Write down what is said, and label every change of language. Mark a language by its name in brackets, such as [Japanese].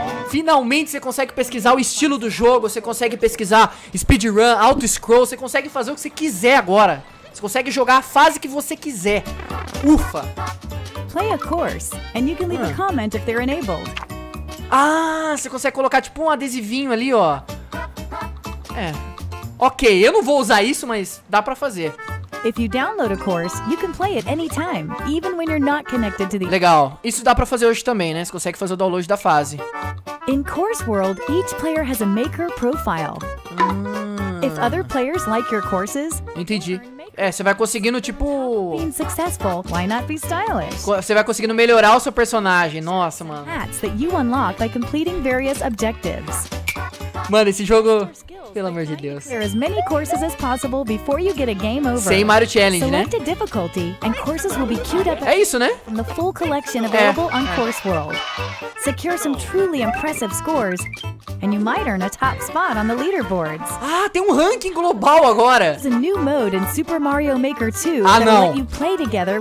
[Portuguese] Finalmente você consegue pesquisar o estilo do jogo, você consegue pesquisar speedrun, auto-scroll, você consegue fazer o que você quiser agora. Você consegue jogar a fase que você quiser. Ufa! [English] Play a course, and you can leave a comment if they're enabled. [Portuguese] Ah, você consegue colocar tipo um adesivinho ali, ó. É. Ok, eu não vou usar isso, mas dá pra fazer. [English] If you download a course, you can play it anytime, even when you're not connected to the... [Portuguese] Legal. Isso dá pra fazer hoje também, né? Você consegue fazer o download da fase. [English] In course world, each player has a maker profile. If other players like your courses... [Portuguese] Entendi. É, você vai conseguindo, tipo... [English] Being successful, why not be stylish? [Portuguese] Você vai conseguindo melhorar o seu personagem. Nossa, mano. [English] Hats that you unlock by completing various objectives. [Portuguese] Mano, esse jogo... Pelo amor de Deus. [English] There are as many courses as possible before you get a game over. [Portuguese] Sem Mario Challenge, [English] select, [Portuguese] né? [English] Select a difficulty and courses will be queued up. [Portuguese] É isso, né? [English] From the full collection available on Course World. Secure some truly impressive scores and you might earn a top spot on the leaderboards. [Portuguese] Ah, tem um ranking global agora. [English] There's a new mode in Super Mario Maker 2 that will let you play together.